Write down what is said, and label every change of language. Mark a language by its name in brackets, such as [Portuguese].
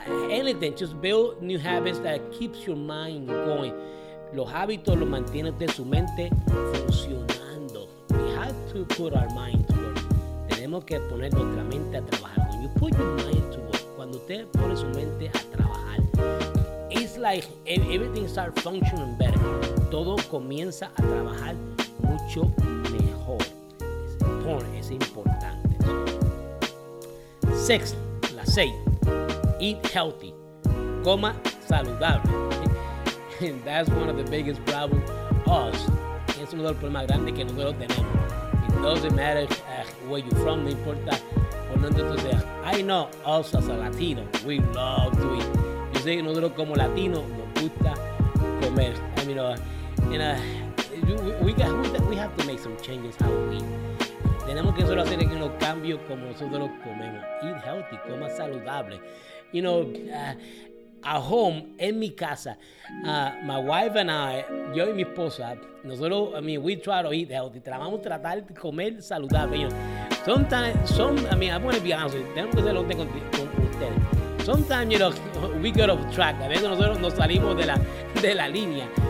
[English] Anything, just build new habits that keeps your mind going. [Spanish] Los hábitos los mantiene usted su mente funcionando. [English] We have to put our mind to work. [Spanish] Tenemos que poner nuestra mente a trabajar. [English] When you put your mind to work, [Spanish] cuando usted pone su mente a trabajar, [English] it's like everything starts functioning better. [Spanish] Todo comienza a trabajar mucho mejor. Es importante. Sixth, la seis. [English] Eat healthy. [Spanish] Coma saludable. [English] And that's one of the biggest problems. Us. [Spanish] Es uno de los problemas grandes que nosotros tenemos. [English] It doesn't matter where you're from. [Spanish] No importa. [English] I know us as a Latino. We love to eat. [Spanish] Yo sé que nosotros como Latino nos gusta comer. [English] I mean, we have to make some changes how we eat. [Spanish] Tenemos que solo hacer unos cambios como nosotros comemos. [English] Eat healthy, [Spanish] coma saludable. [English] You know, at home, [Spanish] en mi casa, [English] my wife and I, [Spanish] yo y mi esposa, nosotros, [English] I mean, we try to eat healthy. [Spanish] Tratar de comer saludable. [English] You know, I want to be honest with you. [Spanish] Tenemos que ser honestos con ustedes. [English] Sometimes, you know, we get off track. [Spanish] A veces nosotros nos salimos de la línea.